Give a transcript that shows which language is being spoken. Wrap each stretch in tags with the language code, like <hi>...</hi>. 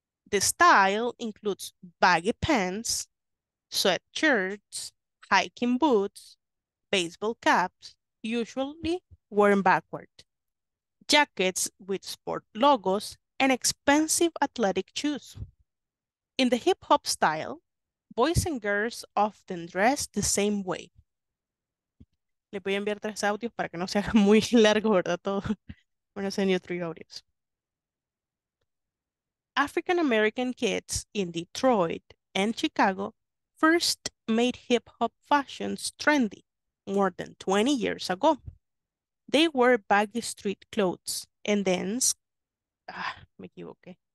<en>The style includes baggy pants, sweatshirts, hiking boots, baseball caps, usually worn backward, jackets with sport logos, and expensive athletic shoes. In the hip-hop style, boys and girls often dress the same way.</en> <es>Le voy a enviar 3 audios para que no sea muy largo, ¿verdad? Todo. Bueno,</es> <en>send you 3 audios. African American kids in Detroit and Chicago first made hip hop fashions trendy more than 20 years ago. They wore baggy street clothes and dance.</en> <es>Ah, me equivoqué.</es>